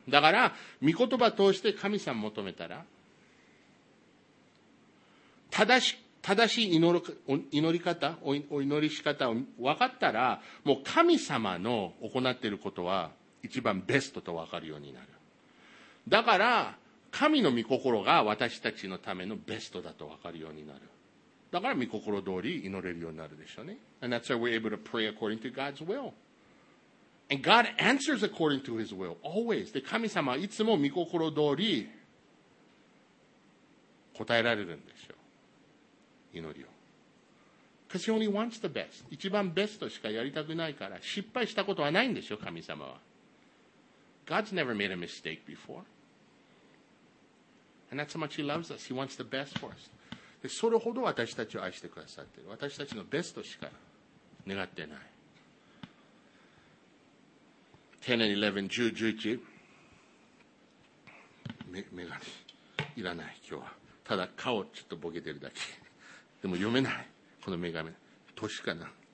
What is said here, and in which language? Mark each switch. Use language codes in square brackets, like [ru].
[ja] だから、御言葉通して神様求めたら、正しい祈り方、お祈り仕方を分かったら、もう神様の行っていることは、一番ベストと分かるようになる。だから神の御心が私たちのためのベストだと分かるようになる。だから御心通り祈れるようになるでしょうね。 [en] And that's why we're able to pray according to God's will. And God answers according to His will always. [ja] で神様はいつも御心通り答えられるんでしょう。祈りを。 [en] Because He only wants the best. [ja] 一番ベストしかやりたくないから失敗したことはないんでしょう神様は。 [en] God's never made a mistake before. And that's how much He loves us. He wants the best for us. [ja] で、それほど私たちを愛してくださってる。私たちのベストしか願ってない。 [en] 10 and 11, 10, 11. [ja] メガネ。いらない今日は。ただ顔ちょっとボケてるだけ。でも読めないこの女神。年かな。